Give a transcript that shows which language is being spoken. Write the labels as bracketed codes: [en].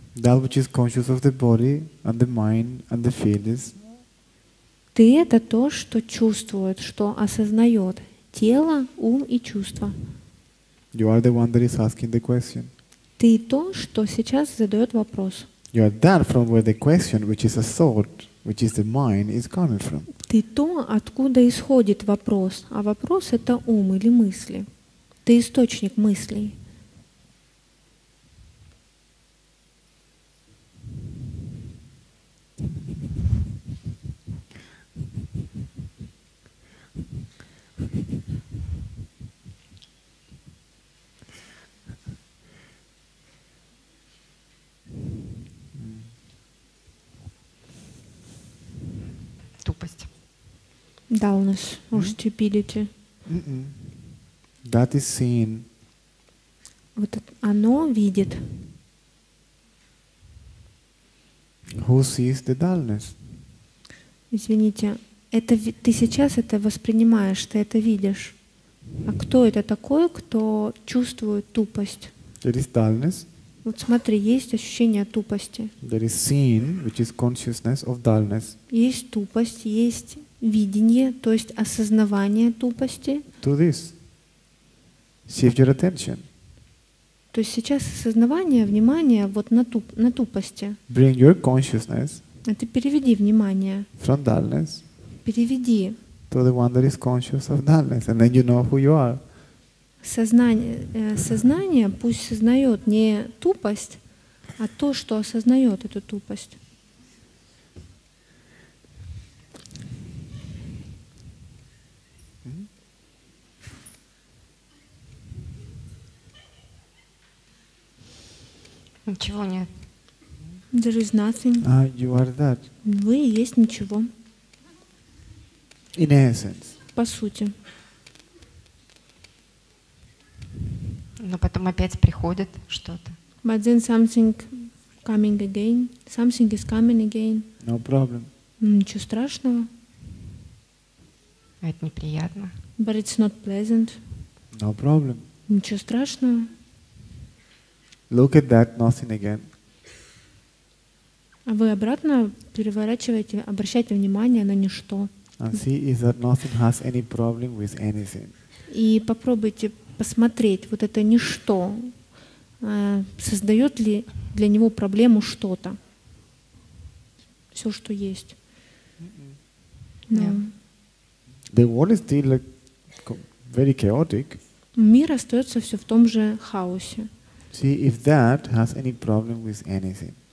[en] That which is conscious of the body and the mind and the feelings. [ru] Ты это то, что чувствует, что осознает тело, ум и чувства. [en] You are the one that is asking the question. [ru] Ты то, что сейчас задает вопрос. [en] You are that from where the question, which is a thought, which is the mind, is coming from. [ru] Ты то, откуда исходит вопрос, а вопрос — это ум или мысли. Ты источник мыслей. [en] Dullness or stupidity. Mm-mm. That is seen. [ru] Вот оно видит. [en] Who sees the dullness? [ru] Извините, это ты сейчас это воспринимаешь, ты это видишь. А кто это такой, кто чувствует тупость? [en] There is dullness. [ru] Вот смотри, есть ощущение тупости. [en] There is seen, which is consciousness of dullness. [ru] Есть тупость, есть видение, то есть осознавание тупости. [en] To this. Shift your attention. [ru] То есть сейчас осознавание, внимание вот на тупости. [en] Bring your consciousness. [ru] А ты переведи внимание. [en] From dullness. [ru] Переведи. [en] To the one that is conscious of dullness, and then you know who you are. [ru] Сознание пусть сознает не тупость, а то, что осознает эту тупость. Ничего нет. [en] There is nothing. You are that. [ru] Вы и есть ничего. [en] In essence. [ru] По сути. Но потом опять приходит что-то. [en] But then something coming again. Something is coming again. No problem. [ru] Ничего страшного. Это неприятно. [en] But it's not pleasant. No problem. [ru] Ничего страшного. [en] Look at that nothing again. [ru] А вы обратно переворачиваете, обращаете внимание на ничто. [en] And see if that nothing has any problem with anything. [ru] И попробуйте посмотреть, вот это ничто создает ли для него проблему что-то. Все, что есть. Mm-mm. Yeah. [en] The world is still like very chaotic. [ru] Мир остается все в том же хаосе. [en] See if that has any problem with anything.